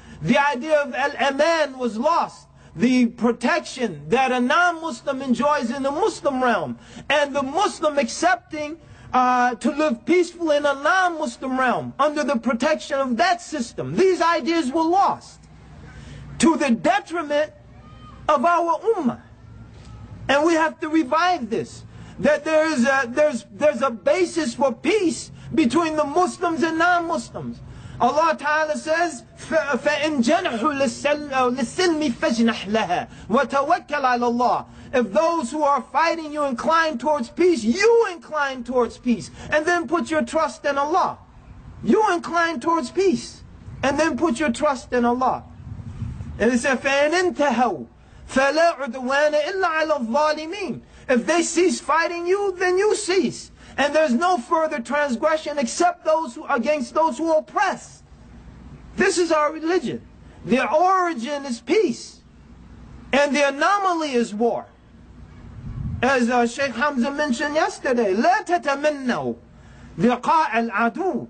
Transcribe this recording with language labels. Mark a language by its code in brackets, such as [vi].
[en] The idea of Al-Aman was lost. The protection that a non-Muslim enjoys in the Muslim realm, and the Muslim accepting to live peacefully in a non-Muslim realm under the protection of that system. These ideas were lost to the detriment of our ummah. And we have to revive this, that there's a basis for peace between the Muslims and non-Muslims. Allah Ta'ala says, [ar] فَإِنْ جَنْحُوا لِلسِّلْمِ فَاجْنَحْ لَهَا وَتَوَكَّلْ عَلَى اللَّهِ. [en] If those who are fighting you incline towards peace, you incline towards peace. And then put your trust in Allah. You incline towards peace. And then put your trust in Allah. And it says, [ar] فَإِنْ انْتَهَوْا فَلَا عُدْوَانَ إِلَّا عَلَى الظَّالِمِينَ. [en] If they cease fighting you, then you cease. And there's no further transgression except those who, against those who oppress. This is our religion. The origin is peace. And the anomaly is war. As Sheikh Hamza mentioned yesterday, [ar] لا تتمنوا لقاء العدو.